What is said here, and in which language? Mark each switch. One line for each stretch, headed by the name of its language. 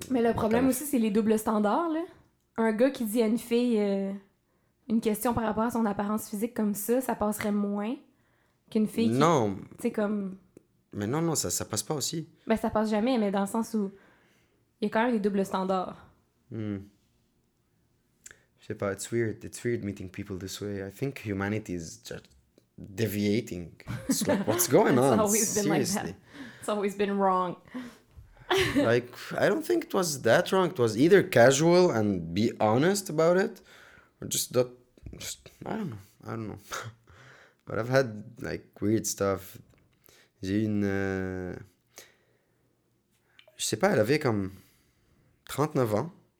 French: Mais le problème aussi, c'est les doubles standards, là. Un gars qui dit à une fille une question par rapport à son apparence physique comme ça, ça passerait moins qu'une fille qui... Non. Tu sais, comme... Mais non, ça passe pas aussi. Ben, ça passe jamais, mais dans le sens où il y a quand même des doubles standards. Je sais pas,
English: it's weird meeting people this way. I think humanity is just deviating. It's like, what's going it's on? It's always been seriously. Like that. It's always been wrong. Like, I don't think it was that wrong. It was either casual and be honest about it, or just I don't know. But I've had like weird stuff.
French: J'ai une, je sais pas, elle avait comme 39 ans.